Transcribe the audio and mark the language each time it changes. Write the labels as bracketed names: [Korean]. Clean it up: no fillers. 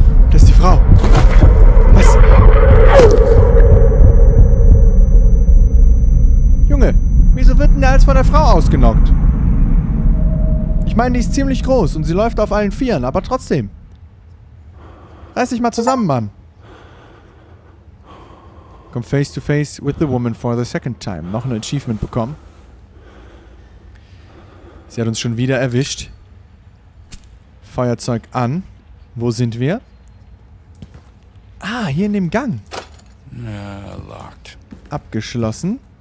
[German] Das ist die Frau. Was? Junge, wieso wird denn der Hals von der Frau ausgenockt? Ich meine, die ist ziemlich groß und sie läuft auf allen Vieren, aber trotzdem. Reiß dich mal zusammen, Mann. [English] Come face to face with the woman for the second time. [German] Noch ein Achievement bekommen. Sie hat uns schon wieder erwischt. Feuerzeug an. Wo sind wir? Ah, hier in dem Gang. [English] Locked. [German] Abgeschlossen.